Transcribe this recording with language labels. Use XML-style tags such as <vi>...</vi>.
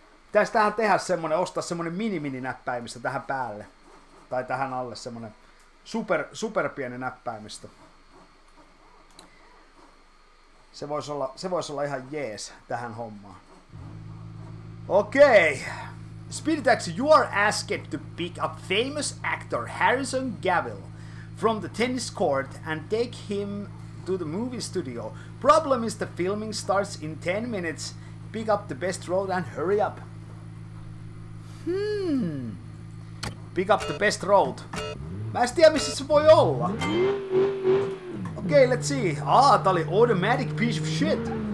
<fi>Pitäisi tähän tehdä semmoinen, ostaa semmoinen mini-mini-näppäimistä tähän päälle. Tai tähän alle semmoinen superpieni näppäimistä. Se voisi olla ihan jees tähän hommaan. Okei. Okay.</fi> <en>Speedtax, you are asked to pick up famous actor Harrison Gavill from the tennis court and take him to the movie studio. Problem is the filming starts in 10 minutes. Pick up the best role and hurry up. Pick up the best road.</en> <fi>Mä en tiedä, missä se voi olla.</fi> <en>Okei, okay, let's see.</en> <fi>Ah, tää oli</fi> <en>automatic piece of shit.</en>